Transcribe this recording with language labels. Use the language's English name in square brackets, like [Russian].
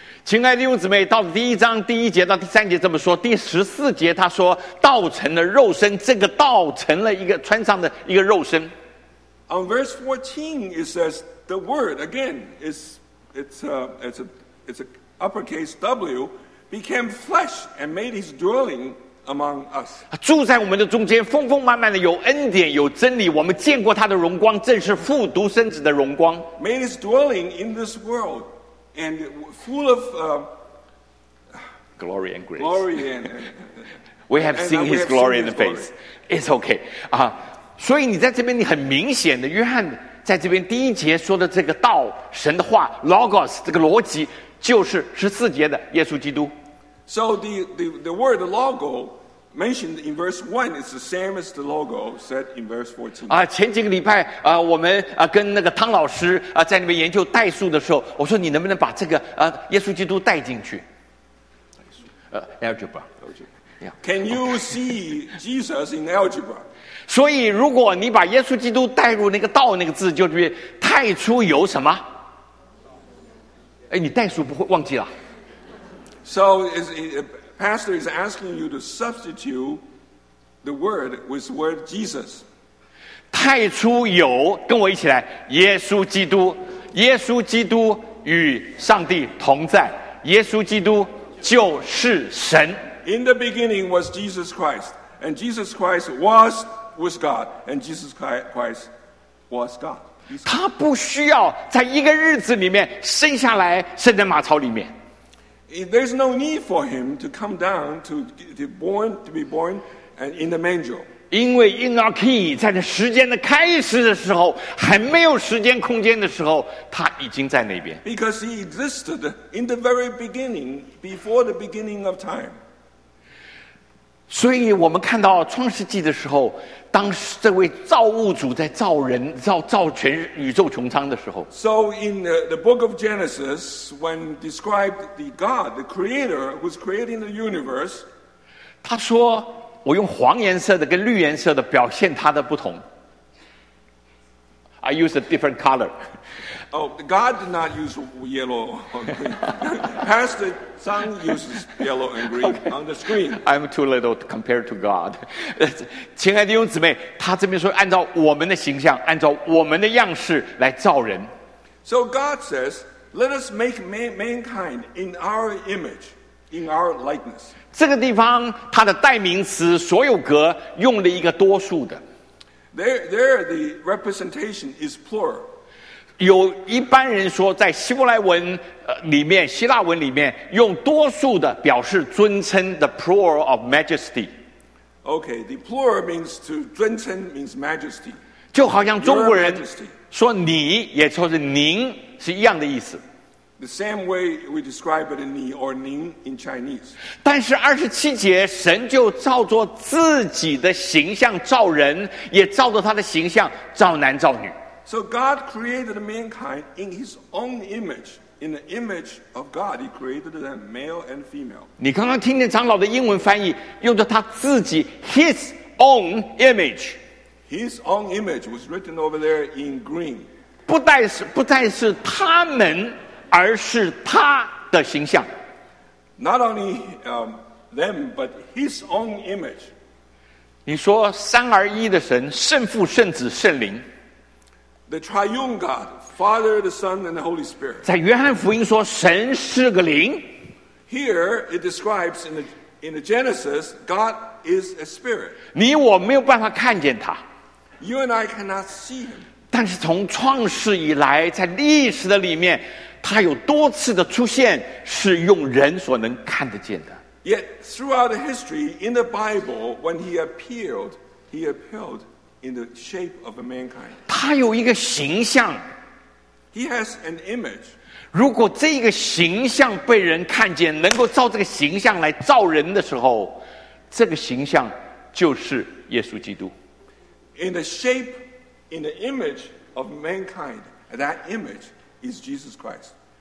[Chinese] 亲爱的弟兄姊妹，到第一章第一节到第三节这么说，第十四节他说道成了肉身，这个道成了一个穿上的一个肉身。 [English] On verse 14 it says the word again is it's a uppercase W became flesh and made his dwelling among us. [Chinese] 住在我们的中间，丰丰满满的，有恩典，有真理，我们见过他的荣光，正是父独生子的荣光。 [English] Made his dwelling in this world and full of glory and grace. Glory and we have seen his glory in the face. It's okay. [Chinese] 所以你在这边，你很明显的，约翰在这边第一节说的这个道，神的话 ，logos 这个逻辑，就是十四节的耶稣基督。 [English] So the word logo mentioned in verse 1 is the same as the logo said in verse 14. [Chinese] 前几个礼拜我们跟那个汤老师在那边研究代数的时候，我说你能不能把这个耶稣基督带进去？ [English] algebra. Can you see Jesus in algebra? [Chinese] 所以如果你把耶稣基督带入那个道那个字，就是太初有什么？你代数不会忘记了。 [English] So, pastor is asking you to substitute the word with the word Jesus. [Chinese] 太初有，跟我一起来，耶稣基督，耶稣基督与上帝同在，耶稣基督就是神。 [English] In the beginning was Jesus Christ, and Jesus Christ was with God, and Jesus Christ was God. [Chinese] 他不需要在一个日子里面生下来，生在马槽里面。 [English] There's no need for him to come down to be born in the manger. [Chinese] 因为婴儿 key 在那时间的开始的时候，还没有时间空间的时候，他已经在那边。 [English] Because he existed in the very beginning, before the beginning of time. [Chinese] 所以我们看到创世纪的时候，当这位造物主在造人、造全宇宙穹苍的时候 [English] ，So in the book of Genesis, when described the God, the Creator who's creating the universe, [Chinese] 他说：“我用黄颜色的跟绿颜色的表现他的不同。” [English] I use a different color. Oh, God did not use yellow. Pastor Sun uses yellow and green on the screen. I'm too little compared to God. [Chinese] 亲爱的弟兄姊妹，他这边说按照我们的形象，按照我们的样式来造人。 [English] So God says, let us make mankind in our image, in our likeness. [Chinese] 这个地方它的代名词所有格用了一个多数的。 [English] There the representation is plural. [Chinese] 有一般人说在希伯来文里面，希腊文里面用多数的表示尊称 [English] the plural of majesty. Okay, the plural means to 尊称 means majesty. [Chinese] 就好像中国人说你也说是您是一样的意思。 [English] The same way we describe it in 你 or 您 in Chinese. [Chinese] 但是二十七节，神就照着自己的形象造人，也照着他的形象造男造女。 [English] So God created mankind in His own image, in the image of God, He created them male and female. [Chinese] 你刚刚听见长老的英文翻译，用着他自己 [English] His own image. His own image was written over there in green. [Chinese] 不再是他们。而是他的形象 [English] Not only them, but his own image. [Chinese] 你说三而一的神，圣父、圣子、圣灵。 [English] The triune God, Father, the Son, and the Holy Spirit. [Chinese] 在约翰福音说神是个灵。 [English] Here it describes in the, In the Genesis, God is a spirit. [Chinese] 你我没有办法看见他。 [English] You and I cannot see him. [Chinese] 但是从创世以来，在历史的里面，他有多次的出现，是用人所能看得见的。 [English] Yet throughout the history, in the Bible, when he appeared, he appeared in the shape of a mankind. [Chinese] 他有一个形象。 [English] He has an image. [Chinese] 如果这个形象被人看见，能够照这个形象来造人的时候，这个形象就是耶稣基督。 [English] In the shape, in the image of mankind, that image is Jesus Christ.